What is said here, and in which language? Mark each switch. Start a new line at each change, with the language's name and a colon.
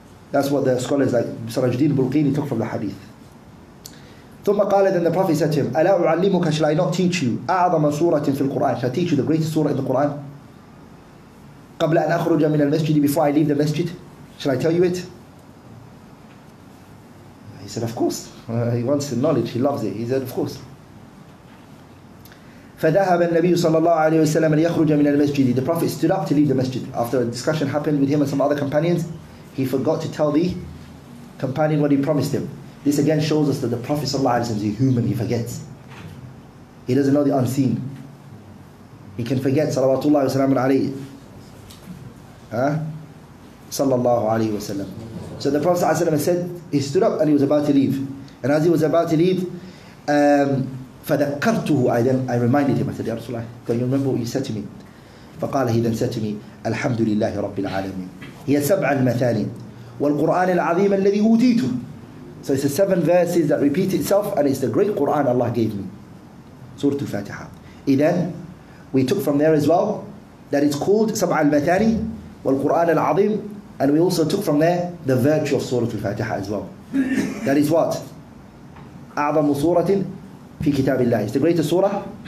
English: That's what the scholars like Sirajuddin Bulqini took from the hadith.
Arabic: ثم قال,
English: then the Prophet said to him,
Arabic: ألا أعلمك,
English: shall I not teach you
Arabic: أعظم سورة في القرآن,
English: shall I teach you the greatest surah in the Quran,
Arabic: قبل أن أخرج من المسجد,
English: before I leave the masjid, shall I tell you it? He said, of course. He wants the knowledge, he loves it. He said, of course.
Arabic: فذهب النبي صلى الله عليه وسلم ليخرج من المسجد.
English: The Prophet stood up to leave the masjid. After a discussion happened with him and some other companions, he forgot to tell the companion what he promised him. This again shows us that the Prophet is a human, he forgets. He doesn't know the unseen. He can forget, salawatullahi wa sallam alayhi. Huh? Sallallahu alayhi wa sallam. So the Prophet said, he stood up and he was about to leave. And as he was about to leave,
Arabic: فذكرته,
English: I reminded him, I said, Ya Rasulullah, can you remember what you said to me?
Arabic: فقال,
English: he then said to me,
Arabic: الحمد لله رب العالمين. هي سبع المثاني والقرآن العظيم الذي أوتيته.
English: So it's the seven verses that repeat itself, and it's the great Quran Allah gave me. Surah Al-Fatiha. Then we took from there as well that it's called
Arabic: سبع المثاني والقرآن العظيم,
English: and we also took from there the virtue of Surah Al-Fatiha as well. That is what?
Arabic: أعظم سورة في كتاب الله.
English: It's the greatest surah.